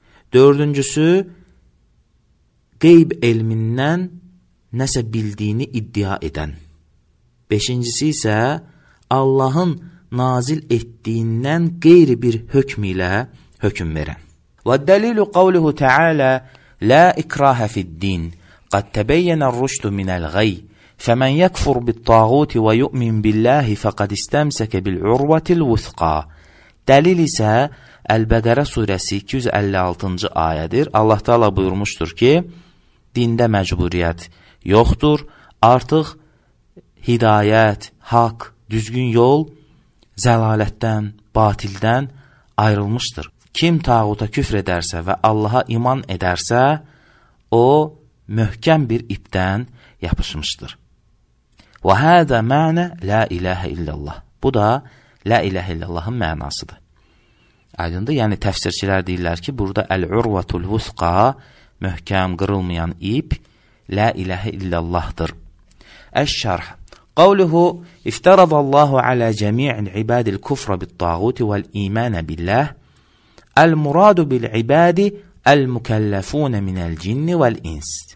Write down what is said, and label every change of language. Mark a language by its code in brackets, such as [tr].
[az] Dördüncüsü, qeyb elmindən nəsə bildiyini iddia edən. Beşincisi isə, Allahın nazil etdiyindən qeyri bir hökm ilə hökm verən. [ar] Və dəlilu qavlihu tə'alə, lə ikrahə fiddin, qəd təbəyyənə rüşdü minəl qəyb. فَمَنْ يَكْفُرْ بِالطَّاغُوتِ وَيُؤْمِنْ بِاللَّهِ فَقَدْ اِسْتَمْسَكَ بِالْعُرْوَةِ الْوُثْقَى [az] Dəlil isə Əl-Bəqərə surəsi 256-cı ayədir. Allah Teala buyurmuşdur ki, dində məcburiyyət yoxdur, artıq hidayət, haq, düzgün yol zəlalətdən, batildən ayrılmışdır. Kim tağuta küfr edərsə və Allaha iman edərsə, o möhkəm bir ipdən yapışmışdır. [ar] وَهَذَا مَعْنَى لَا إِلَٰهَ إِلَّا اللّٰهِ [az] Bu da [ar] لَا إِلَٰهَ إِلَّا اللّٰهِ [az] mənasıdır. Aydındır, yəni təfsirçilər deyirlər ki, burada [ar] الْعُرْوَةُ الْوُثْقَى [az] möhkəm, qırılmayan ip [ar] لَا إِلَٰهَ إِلَّا اللّٰهِ Əş-şərh قَوْلُهُ اِفْتَرَضَ اللّٰهُ عَلَى جَمِيعِ الْعِبَادِ الْكُفْرَ بِالطَّاغُوتِ وَالْإِيمَانَ بِاللّٰهِ الْمُرَادُ بِالْعِبَادِ الْمُكَلَّفُونَ مِنَ الْجِنِّ وَالْإِنْسِ